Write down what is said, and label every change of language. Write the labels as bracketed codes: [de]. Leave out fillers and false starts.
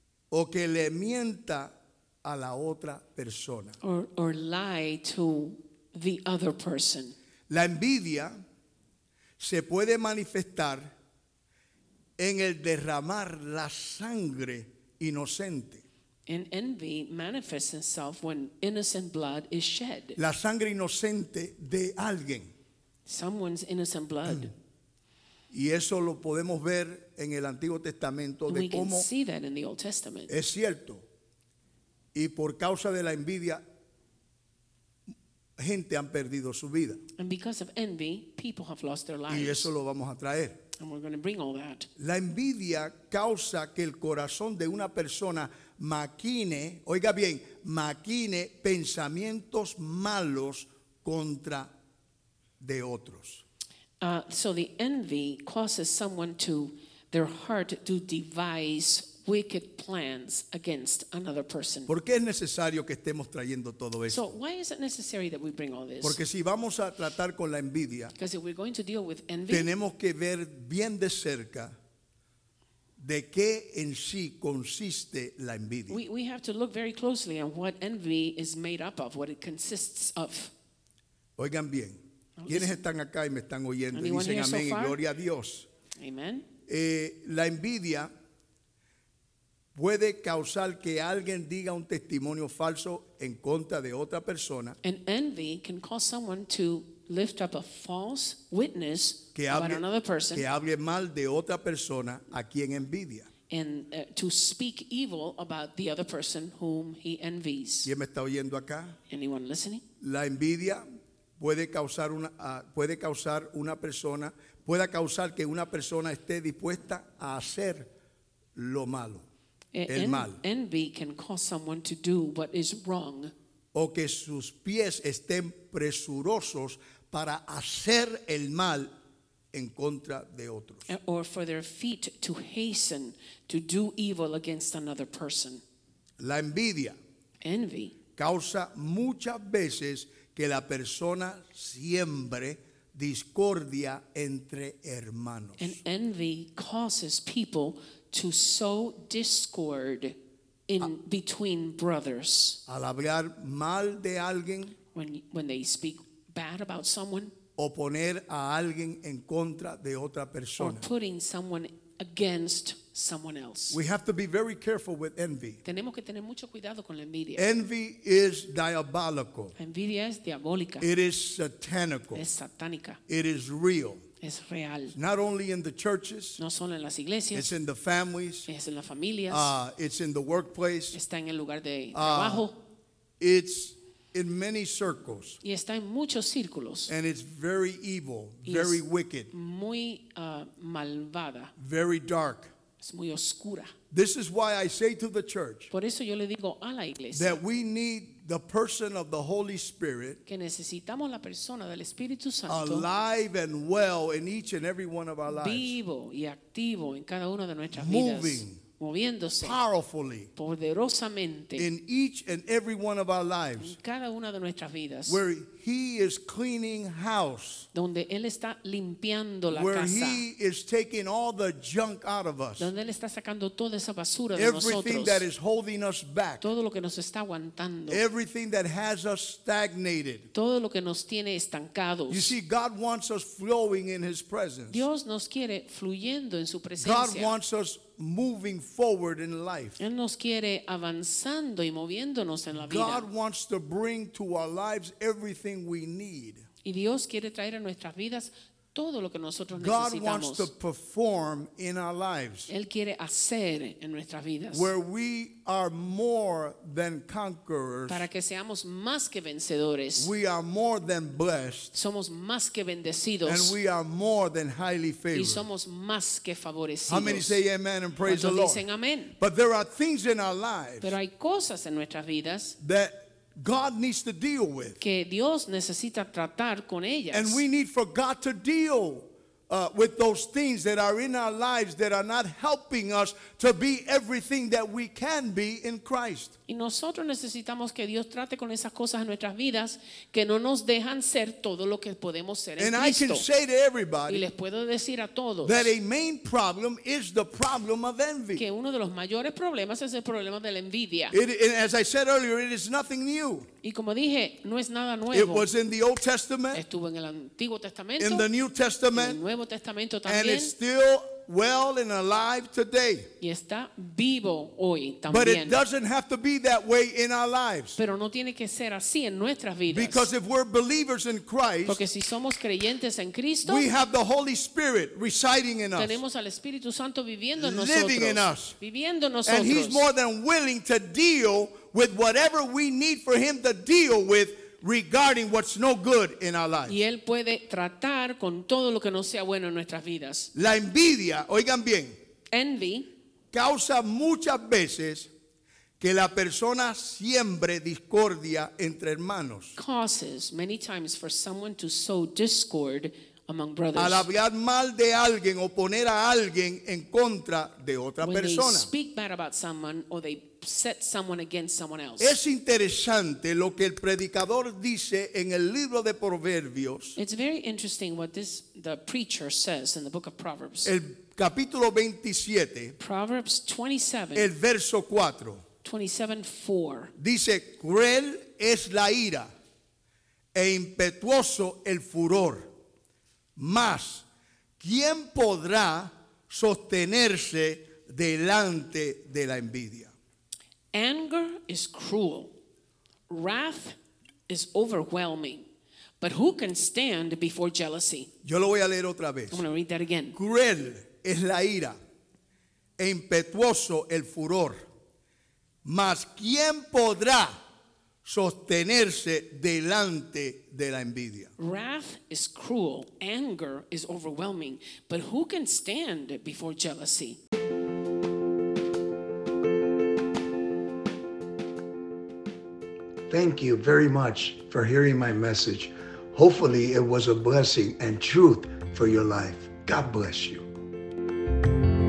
[es] O que le mienta a la otra persona. [en] Or lie to the other person. [es] La envidia se puede manifestar en el derramar la sangre inocente. [en] And envy manifests itself when innocent blood is shed. [es] La sangre inocente de alguien. [en] Someone's innocent blood. [es] Y eso lo podemos ver en el Antiguo Testamento de cómo. [en] We can see that in the Old Testament. [es] Es cierto. Y por causa de la envidia, gente han perdido su vida. [en] And because of envy, people have lost their lives. [es] Y eso lo vamos a traer. [en] And we're going to bring all that. [es] La envidia causa que el corazón de una persona maquine, oiga bien, maquine pensamientos malos contra de otros. [en] So the envy causes someone to their heart to devise wicked plans against another person. [es] ¿Por qué es necesario que estemos trayendo todo esto? [en] So why is it necessary that we bring all this? [es] Porque si vamos a tratar con la envidia, [en] because if we're going to deal with envy, [es] tenemos que ver bien de cerca de qué en sí consiste la envidia. [en] We have to look very closely on what envy is made up of, what it consists of. [es] Oigan bien, ¿quiénes están acá y me están oyendo? Dicen amén y gloria a Dios. [en] Amen. [es] La envidia puede causar que alguien diga un testimonio falso en contra de otra persona. [en] And envy can cause someone to lift up a false witness [es] que hable, [en] about another person. [es] Que hable mal de otra persona a quien envidia. [en] And to speak evil about the other person whom he envies. [es] ¿Quién me está oyendo acá? [en] Anyone listening? [es] La envidia puede causar que una persona esté dispuesta a hacer lo malo. El mal. [en] Envy can cause someone to do what is wrong. [es] O que sus pies estén presurosos para hacer el mal en contra de otros. [en] Or for their feet to hasten to do evil against another person. [es] La envidia. [en] Envy. [es] Causa muchas veces que la persona siembre discordia entre hermanos. [en] And envy causes people to sow discord in between brothers. [es] Al hablar mal de alguien, [en] when they speak bad about someone, [es] o poner a alguien en contra de otra persona, [en] or putting someone against someone else. We have to be very careful with envy. [es] Tenemos que tener mucho cuidado con la envidia. [en] Envy is diabolical. [es] La envidia es diabólica. [en] It is satanical. [es] Es satánica. [en] It is real. [es] Es real. [en] Not only in the churches, [es] no solo en las iglesias, [en] it's in the families, [es] es en las familias, [en] it's in the workplace, [es] está en el lugar de trabajo. [en] It's in many circles, [es] y está en muchos círculos, [en] and it's very evil, very wicked, [es] muy malvada, [en] very dark, [es] es muy oscura. [en] This is why I say to the church, [es] por eso yo le digo a la iglesia, [en] that we need the person of the Holy Spirit, [es] que necesitamos la persona del Espíritu Santo, [en] alive and well in each and every one of our lives, [es] vivo y activo en cada una de nuestras [en] moving, [es] vidas, moviéndose [en] powerfully, [es] poderosamente, [en] in each and every one of our lives, [es] en cada una de nuestras vidas, [en] where he is cleaning house, [es] donde él está limpiando la [en] where [es] casa, [en] he is taking all the junk out of us, [es] donde él está sacando toda esa basura de [en] everything [es] nosotros, [en] that is holding us back, [es] todo lo que nos está aguantando, [en] everything that has us stagnated, [es] todo lo que nos tiene estancados. [en] You see, God wants us flowing in his presence. [es] Dios nos quiere fluyendo en su presencia. [en] God wants us moving forward in life. [es] Él nos quiere avanzando y moviéndonos en la vida. [en] God wants to bring to our lives everything we need. [es] Y Dios quiere traer a nuestras vidas todo lo que nosotros [en] God [es] necesitamos. [en] Wants to perform in our lives. [es] Él quiere hacer en nuestras vidas. [en] Where we are more than conquerors. [es] Para que seamos más que vencedores. [en] We are more than blessed. [es] Somos más que bendecidos. [en] And we are more than highly favored. [es] Y somos más que favorecidos. [en] How many say amen and praise [es] cuando [en] the Lord? [es] Dicen amén. [en] But there are things in our lives. [es] Pero hay cosas en nuestras vidas. [en] That God needs to deal with. [es] Que Dios necesita tratar con ellas. [en] And we need for God to deal with those things that are in our lives that are not helping us to be everything that we can be in Christ. [es] Y nosotros necesitamos que Dios trate con esas cosas en nuestras vidas que no nos dejan ser todo lo que podemos ser en [en] and [es] Cristo. [en] I can say to everybody, [es] y les puedo decir a todos, [en] that a main problem is the problem of envy. [es] Que uno de los mayores problemas es el problema de la envidia. [en] And as I said earlier, it is nothing new. [es] Y como dije, no es nada nuevo. [en] It was in the Old Testament. [es] Estuvo en el Antiguo Testamento. [en] In the New Testament. [es] En el Nuevo Testamento también. [en] And it's still well and alive today. [es] Y está vivo hoy también. [en] But it doesn't have to be that way in our lives. [es] Pero no tiene que ser así en nuestras vidas. [en] Because if we're believers in Christ, [es] porque si somos creyentes en Cristo, [en] we have the Holy Spirit residing in us. [es] Tenemos al Espíritu Santo viviendo en [en] living [es] nosotros. [en] In us. [es] Viviendo nosotros. [en] And he's more than willing to deal with whatever we need for him to deal with regarding what's no good in our lives. [es] Y él puede tratar con todo lo que no sea bueno en nuestras vidas. La envidia, oigan bien, [en] envy, [es] causa muchas veces que la persona siembre discordia entre hermanos. [en] Causes many times for someone to sow discord among brothers. [es] Al hablar mal de alguien o poner a alguien en contra de otra [en] when [es] persona. [en] They speak bad about someone or they set someone against someone else. [es] Es interesante lo que el predicador dice en el libro de Proverbios. [en] It's very interesting what this the preacher says in the book of Proverbs. [es] El capítulo 27. [en] Proverbs 27. [es] El verso 4. [en] 27:4. [es] Dice, cruel es la ira e impetuoso el furor. Mas, ¿quién podrá sostenerse delante de la envidia? [en] Anger is cruel. Wrath is overwhelming. But who can stand before jealousy? [es] Yo lo voy a leer otra vez. [en] I'm going to read that again. [es] Cruel es la ira e impetuoso el furor. Mas, ¿quién podrá sostenerse delante de la envidia? [en] Wrath is cruel, anger is overwhelming, but who can stand before jealousy? Thank you very much for hearing my message. Hopefully it was a blessing and truth for your life. God bless you.